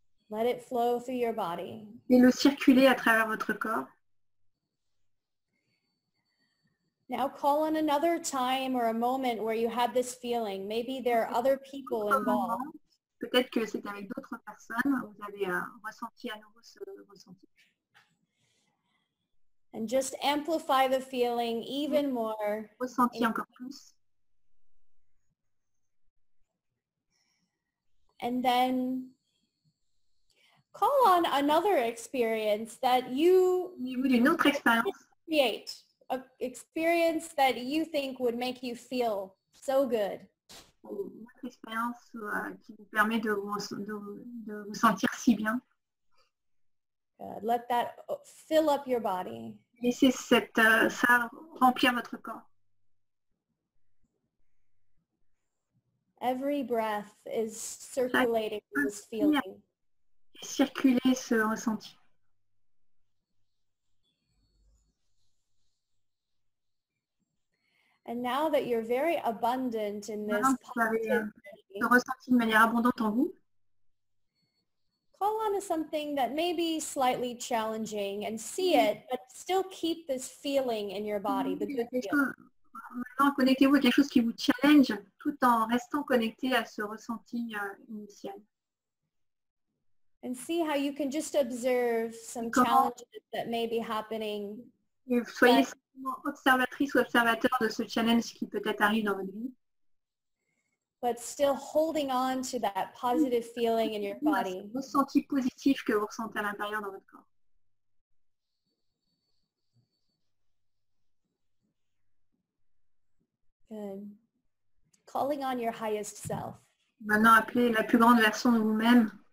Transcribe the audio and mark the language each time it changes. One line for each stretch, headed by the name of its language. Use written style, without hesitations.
English: Let it flow through your body.
French: Et le circuler à travers votre corps.
English: Now call on another time or a moment where you had this feeling. Maybe there are other people involved.
French: Peut-être que c'est avec d'autres personnes vous avez ressenti à nouveau ce ressenti.
English: And just amplify the feeling even more.
French: Ressentir encore plus.
English: And then call on another experience that you create. An experience that you think would make you feel so good.
French: Une autre expérience qui vous permet de vous sentir si bien.
English: Good. Let that fill up your body.
French: Laissez ça remplir votre corps.
English: Every breath is circulating this feeling.
French: Circuler ce ressenti.
English: And now that you're very abundant in this positivity,
French: ressenti de manière abondante en vous.
English: Call on to something that may be slightly challenging and see it, but still keep this feeling in your body, the good feeling.
French: Maintenant, connectez-vous à quelque chose qui vous challenge tout en restant connecté à ce ressenti initial.
English: And see how you can just observe some challenges that may be happening.
French: Soyez simplement observatrice ou observateur de ce challenge qui peut-être arrive dans votre vie.
English: But still holding on to that positive feeling in your body.
French: Ressenti positif que vous ressentez à l'intérieur dans votre corps.
English: Good. Calling on your highest self.
French: Maintenant, appelez la plus grande version de vous-même.